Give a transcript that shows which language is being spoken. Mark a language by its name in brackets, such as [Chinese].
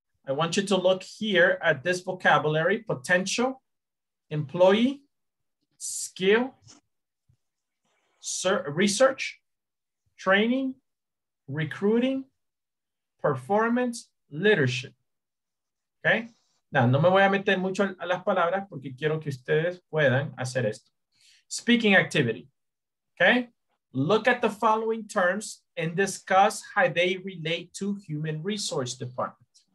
[English] I want you to look here at this vocabulary, potential, employee, skill, research, training, recruiting, performance, leadership, okay? [Spanish] Now, no me voy a meter mucho a las palabras porque quiero que ustedes puedan hacer esto. [English] Speaking activity. Okay? Look at the following terms and discuss how they relate to human resource department.